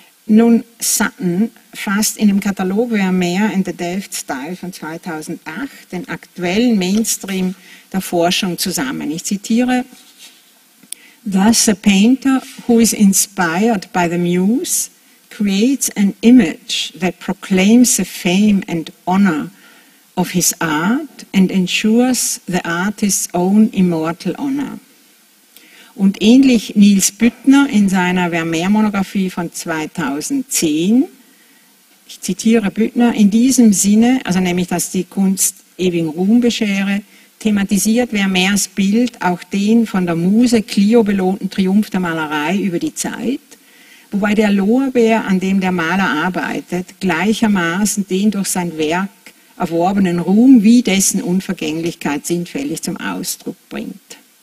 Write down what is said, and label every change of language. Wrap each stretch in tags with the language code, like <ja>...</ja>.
<de>Nun, Sutton fasst in dem Katalog Where Mare and the Delft Style von 2008 den aktuellen Mainstream der Forschung zusammen. Ich zitiere:</de> <en>Thus a painter who is inspired by the muse creates an image that proclaims the fame and honor of his art and ensures the artist's own immortal honor.</en> <de>Und ähnlich Nils Büttner in seiner Vermeer-Monographie von 2010, ich zitiere Büttner, in diesem Sinne, also nämlich, dass die Kunst ewigen Ruhm beschere, thematisiert Vermeers Bild auch den von der Muse Clio belohnten Triumph der Malerei über die Zeit, wobei der Lorbeer, an dem der Maler arbeitet, gleichermaßen den durch sein Werk erworbenen Ruhm wie dessen Unvergänglichkeit sinnfällig zum Ausdruck bringt.</de>